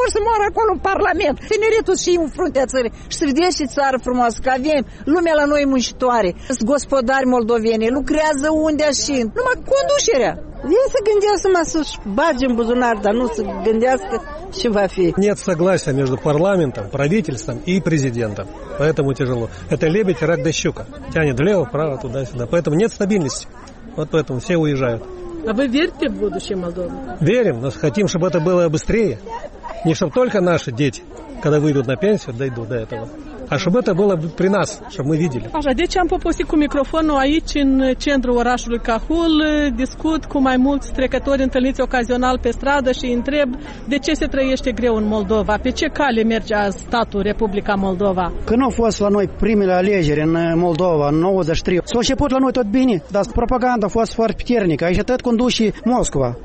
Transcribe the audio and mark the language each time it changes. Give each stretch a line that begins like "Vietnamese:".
Romanian: Vor să moară acolo în Parlament. Tineretul și în fruntea țării. Și să vedeți și țară frumoasă, că avem lumea la noi muncitoare. Sunt gospodari moldoveni, lucrează unde și numai conducerea. Vin să gândească mă sus, bagi în buzunar, dar nu să gândească ce va fi.
Russian: Нет согласия между парламентом, правительством и президентом. Поэтому тяжело. Это лебедь, рак да щука. Тянет влево, вправо, туда-сюда. Поэтому нет стабильности. Вот поэтому все уезжают. А вы верите в будущее Молдовы? Верим, но хотим, чтобы это было быстрее. Не чтобы только наши дети, когда выйдут на пенсию, дойдут до этого. А чтобы это было при нас, чтобы мы видели.
Romanian: Așa, deci am poposit cu microfonul aici în centrul orașului Cahul, discut cu mai mulți trecători întâlniți ocazional pe stradă și întreb de ce se trăiește greu în Moldova, pe ce cale merge statul Republica Moldova. Când au fost la noi primele alegeri în Moldova, în 93, s-au început la noi tot bine, dar propaganda a fost foarte puternică, aici tot conduce Moscova.